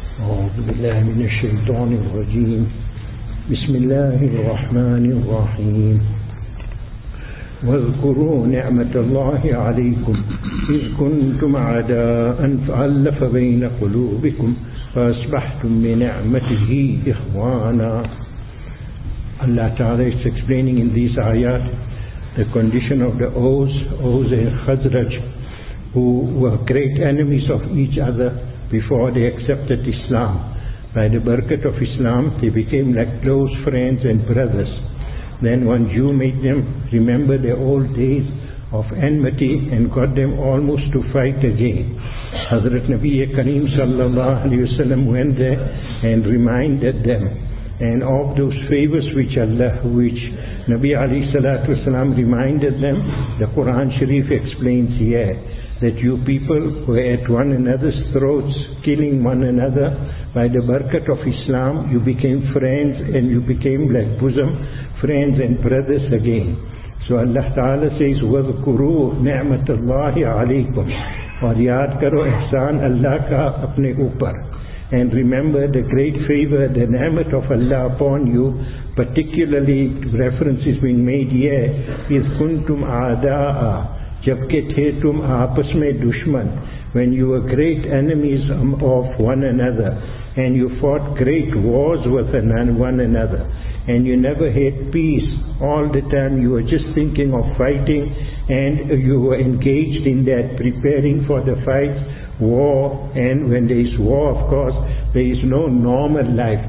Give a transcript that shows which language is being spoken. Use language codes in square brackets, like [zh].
[ar] أعوذ بالله من الشيطان الرجيم. بسم الله الرحمن الرحيم. واذكروا نعمة الله عليكم إذ كنتم عداء فألف بين قلوبكم فأصبحتم بنعمته إخوانا. [en] Allah Ta'ala is explaining in these ayat the condition of the Aus, Aus and Khazraj, who were great enemies of each other before they accepted Islam. By the barakat of Islam, they became like close friends and brothers. Then one Jew made them remember their old days of enmity and got them almost to fight again. Hazrat Nabi Kareem sallallahu alayhi wa sallam went there and reminded them and of those favors which Nabi alayhi salatu wasalam reminded them. The Quran Sharif explains here that you people were at one another's throats, killing one another. By the barakat of Islam, you became friends and you became like bosom friends and brothers again. So Allah Ta'ala says, [ar] وَذْكُرُوا نِعْمَةَ اللَّهِ عَلَيْكُمْ [ur] اور یاد کرو احسان اللہ کا اپنے اوپر. [en] And remember the great favor, the ni'mat of Allah upon you. Particularly, reference is being made here, [ar] إِذْ كُنْتُمْ عَدَاءَ [ur] جَبْكَ تَهْتُمْ آپَسْ مَنْ دُشْمَنْ. [en] When you were great enemies of one another, and you fought great wars with one another, and you never had peace all the time, you were just thinking of fighting, and you were engaged in that, preparing for the fight, war, and when there is war, of course, there is no normal life.